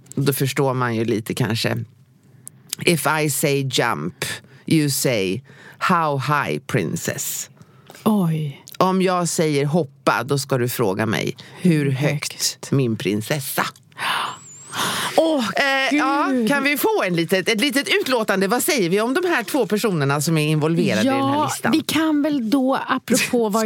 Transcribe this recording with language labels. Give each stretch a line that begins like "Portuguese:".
Swedish: Då förstår man ju lite kanske.
English: If I say jump, you say how high, princess?
Swedish: Oj. Om jag säger hoppa, då ska du fråga mig hur högt min prinsessa? Ja, kan vi få ett litet utlåtande? Vad säger vi om de här två personerna som är involverade i den här listan? Ja, vi kan väl då, apropå vad